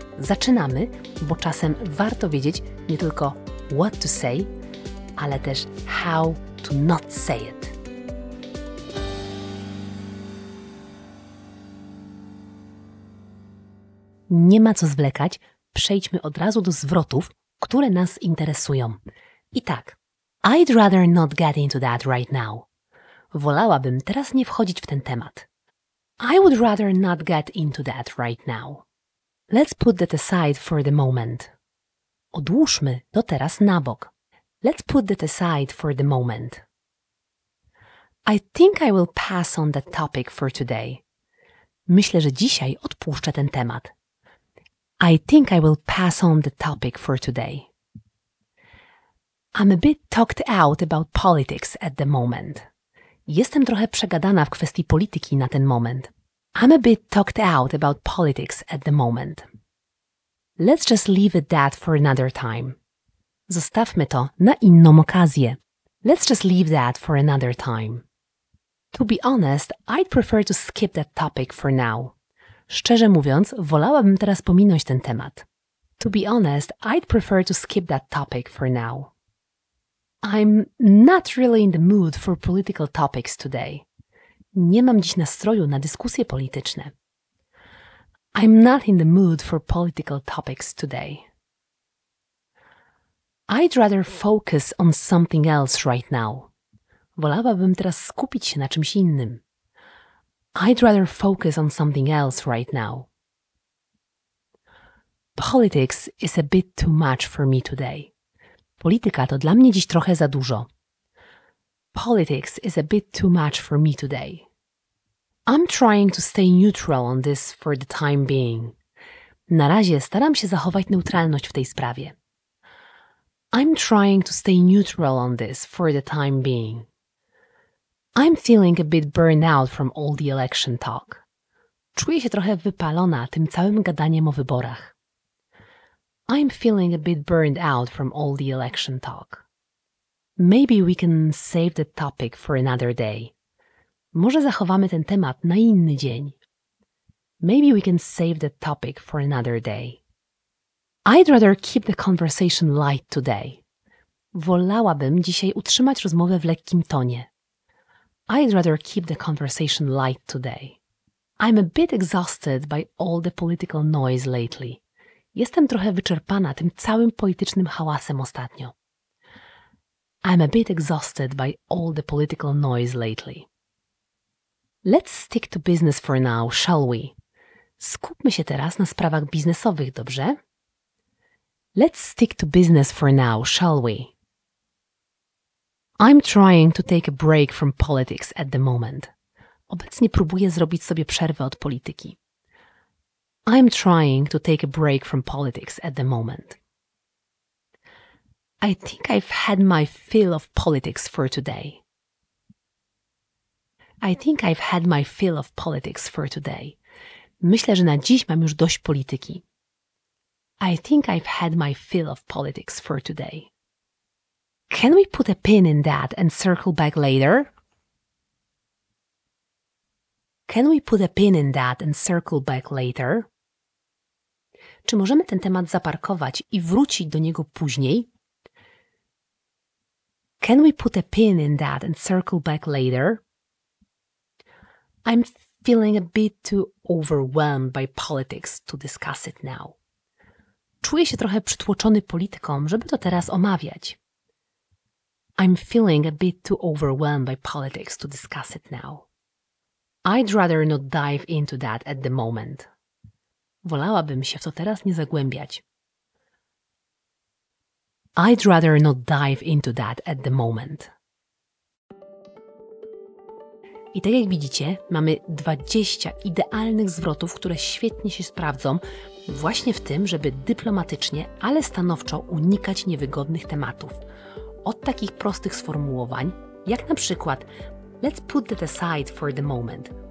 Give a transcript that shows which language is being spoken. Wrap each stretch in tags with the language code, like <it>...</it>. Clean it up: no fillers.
<pl>Zaczynamy, bo czasem warto wiedzieć nie tylko</pl> <en>what to say,</en> <pl>ale też</pl> <en>how to not say it.</en> <pl>Nie ma co zwlekać, przejdźmy od razu do zwrotów, które nas interesują. I tak,</pl> <en>I'd rather not get into that right now.</en> <pl>Wolałabym teraz nie wchodzić w ten temat.</pl> <en>I would rather not get into that right now. Let's put that aside for the moment.</en> <pl>Odłóżmy to teraz na bok.</pl> <en>Let's put that aside for the moment. I think I will pass on that topic for today.</en> <pl>Myślę, że dzisiaj odpuszczę ten temat.</pl> <en>I think I will pass on the topic for today. I'm a bit talked out about politics at the moment.</en> <pl>Jestem trochę przegadana w kwestii polityki na ten moment.</pl> <en>I'm a bit talked out about politics at the moment. Let's just leave it that for another time.</en> <pl>Zostawmy to na inną okazję.</pl> <en>Let's just leave that for another time. To be honest, I'd prefer to skip that topic for now.</en> <pl>Szczerze mówiąc, wolałabym teraz pominąć ten temat.</pl> <en>To be honest, I'd prefer to skip that topic for now. I'm not really in the mood for political topics today.</en> <pl>Nie mam dziś nastroju na dyskusje polityczne.</pl> <en>I'm not in the mood for political topics today. I'd rather focus on something else right now.</en> <pl>Wolałabym teraz skupić się na czymś innym.</pl> <en>I'd rather focus on something else right now. Politics is a bit too much for me today.</en> <pl>Polityka to dla mnie dziś trochę za dużo.</pl> <en>Politics is a bit too much for me today. I'm trying to stay neutral on this for the time being.</en> <pl>Na razie staram się zachować neutralność w tej sprawie.</pl> <en>I'm trying to stay neutral on this for the time being. I'm feeling a bit burned out from all the election talk.</en> <pl>Czuję się trochę wypalona tym całym gadaniem o wyborach.</pl> <en>I'm feeling a bit burned out from all the election talk. Maybe we can save the topic for another day.</en> <pl>Może zachowamy ten temat na inny dzień.</pl> <en>Maybe we can save the topic for another day. I'd rather keep the conversation light today.</en> <pl>Wolałabym dzisiaj utrzymać rozmowę w lekkim tonie.</pl> <en>I'd rather keep the conversation light today. I'm a bit exhausted by all the political noise lately.</en> <pl>Jestem trochę wyczerpana tym całym politycznym hałasem ostatnio.</pl> <en>I'm a bit exhausted by all the political noise lately. Let's stick to business for now, shall we?</en> <pl>Skupmy się teraz na sprawach biznesowych, dobrze?</pl> <en>Let's stick to business for now, shall we? I'm trying to take a break from politics at the moment.</en> <pl>Obecnie próbuję zrobić sobie przerwę od polityki.</pl> <en>I'm trying to take a break from politics at the moment. I think I've had my fill of politics for today. I think I've had my fill of politics for today.</en> <pl>Myślę, że na dziś mam już dość polityki.</pl> <en>I think I've had my fill of politics for today. Can we put a pin in that and circle back later? Can we put a pin in that and circle back later?</en> <pl>Czy możemy ten temat zaparkować i wrócić do niego później?</pl> <en>Can we put a pin in that and circle back later? I'm feeling a bit too overwhelmed by politics to discuss it now.</en> <pl>Czuję się trochę przytłoczony polityką, żeby to teraz omawiać.</pl> <en>I'm feeling a bit too overwhelmed by politics to discuss it now. I'd rather not dive into that at the moment.</en> <pl>Wolałabym się w to teraz nie zagłębiać.</pl> <en>I'd rather not dive into that at the moment.</en> <pl>I tak jak widzicie, mamy 20 idealnych zwrotów, które świetnie się sprawdzą właśnie w tym, żeby dyplomatycznie, ale stanowczo unikać niewygodnych tematów. Od takich prostych sformułowań, jak na przykład</pl> <en>let's put that aside for the moment.</en>